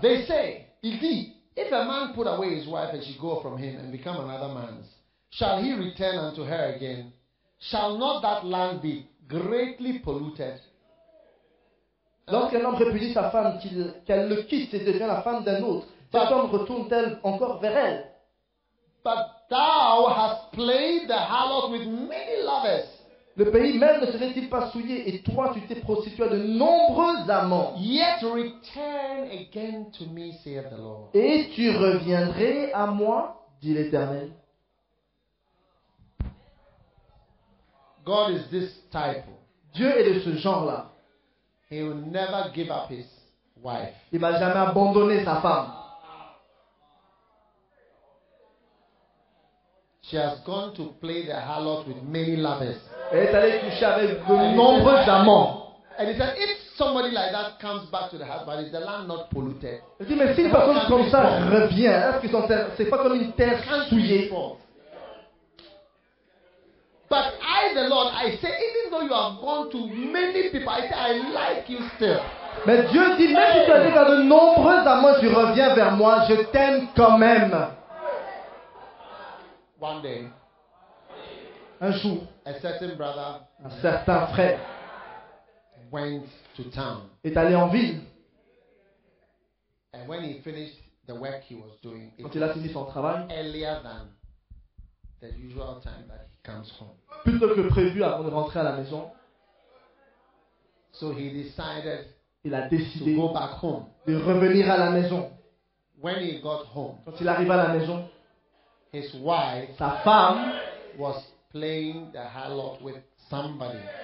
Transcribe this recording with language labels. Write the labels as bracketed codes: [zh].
[en] They say, [fr] il dit, [en] if a man put away his wife and she go from him and become another man's, shall he return unto her again? Shall not that land be greatly polluted? [fr] Lorsqu'un homme répudie sa femme, qu'elle le quitte et devient la femme d'un autre, cet homme retourne-t-elle encore vers elle? [en] But thou hast played the harlot with many lovers. [fr] Le pays même ne serait-il pas souillé et toi tu t'es prostitué de nombreux amants. [en] Yet return again to me, saith the Lord. [fr] Et tu reviendrais à moi, dit l'Éternel. [en] God is this type. [fr] Dieu est de ce genre-là. [en] He will never give up his wife. [fr] Il va jamais abandonner sa femme. [en] She has gone to play the harlot with many lovers. [fr] Elle est allée toucher avec de nombreux amants. [en] And he said, if somebody like that comes back to the husband, is the land not polluted? [fr] Il dit, mais si une personne comme ça revient, est-ce que c'est pas comme une terre souillée? [en] But I, the Lord, I say, even though you have gone to many people, I say, I like you still. [fr] Mais Dieu dit, même si tu as été à de nombreux amants, tu reviens vers moi, je t'aime quand même. [en] One day. [fr] Un jour, [en] a certain brother, [fr] un certain frère, [en] went to town, [fr] est allé en ville. [en] And when he finished the work he was doing, [fr] quand il a fini son travail, [en] earlier than the usual time that he comes home, [fr] plus tôt que prévu avant de rentrer à la maison. [en] So he decided, [fr] il a décidé [en] to go back home, [fr] de revenir à la maison. [en] When he got home, [fr] quand il arrive à la maison, [en] his wife, [fr] sa femme, [en] was playing the harlot with somebody.